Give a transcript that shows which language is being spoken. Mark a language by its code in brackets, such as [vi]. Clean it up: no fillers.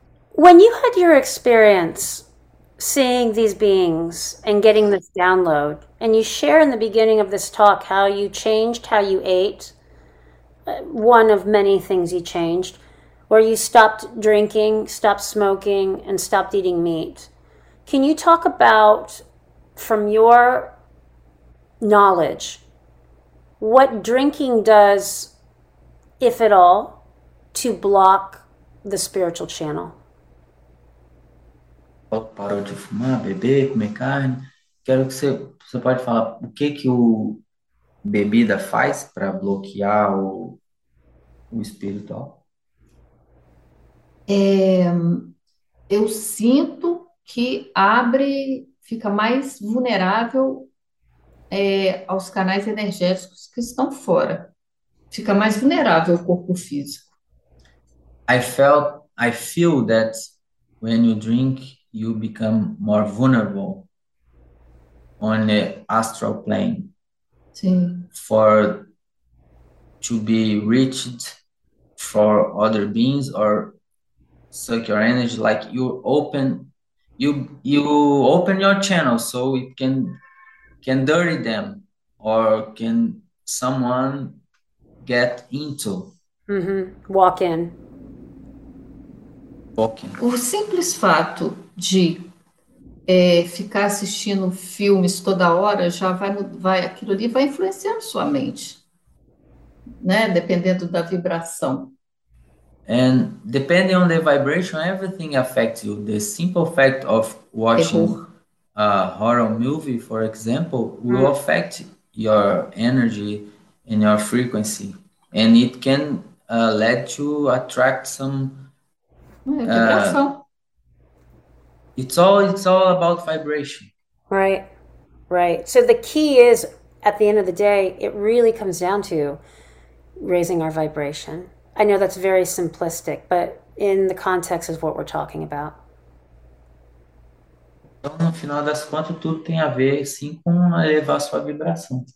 [en] When you had your experience seeing these beings and getting this download, and you share in the beginning of this talk how you changed how you ate, one of many things you changed, where you stopped drinking, stopped smoking, and stopped eating meat. Can you talk about, from your knowledge, what drinking does, if at all, to block the spiritual channel? [pt] Parou de fumar, beber, comer carne. Quero que você pode falar o que que o bebida faz para bloquear o espiritual. É, eu sinto que abre, fica mais vulnerável aos canais energéticos que estão fora. Fica mais vulnerável ao corpo físico. [en] I feel that when you drink, you become more vulnerable on the astral plane. [pt] Sim. [en] For to be reached for other beings or suck your energy, like you open your channel so it can dirty them or can someone get into. Mm-hmm. Walk in. [pt] O simples fato de ficar assistindo filmes toda hora já vai aquilo ali vai influenciando sua mente, né? Dependendo da vibração. [en] And depending on the vibration, everything affects you. The simple fact of watching a horror movie, for example, will affect your energy and your frequency, and it can let you attract some. [pt] É vibração. [en] It's all about vibration. Right. Right. So the key is, at the end of the day, it really comes down to raising our vibration. I know that's very simplistic, but in the context of what we're talking about. [pt] Então, no final das contas, tudo tem a ver, sim, com elevar sua vibração.